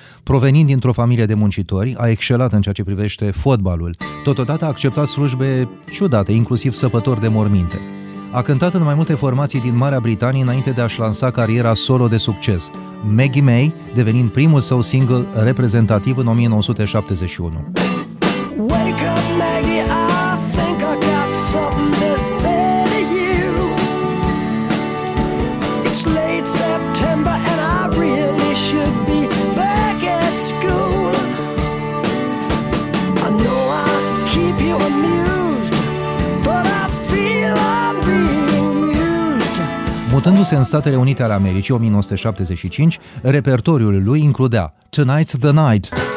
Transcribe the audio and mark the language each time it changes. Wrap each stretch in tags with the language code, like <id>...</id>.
<ro>Provenind dintr-o familie de muncitori, a excelat în ceea ce privește fotbalul. Totodată a acceptat slujbe ciudate, inclusiv săpător de morminte. A cântat în mai multe formații din Marea Britanie înainte de a-și lansa cariera solo de succes, Maggie May devenind primul său single reprezentativ în 1971.</ro> <en>Wake up, Maggie, I think I got something to say to you. It's late September and I really should be back at school. I know I keep you amused, but I feel I'm being used.</en> <ro>Mutându-se în Statele Unite ale Americii, 1975, repertoriul lui includea Tonight's the Night.</ro>